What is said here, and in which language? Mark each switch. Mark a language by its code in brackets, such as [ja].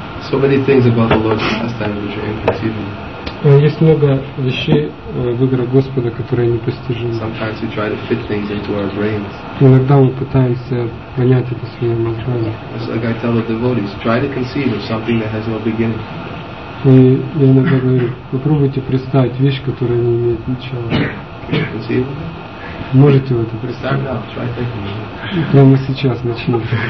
[en] So many things about the Lord's pastime which are inconceivable. [ru] Есть много вещей в играх Господа, которые непостижимы. [en] Sometimes we try to fit things into our brains. [ru] Иногда мы пытаемся понять это своими мозгами. [en] It's like I tell the devotees, try to conceive of something that has no beginning. [ru] И я иногда говорю, попробуйте представить вещь, которая не имеет начала. Можете вы это представить? Прямо сейчас начнем.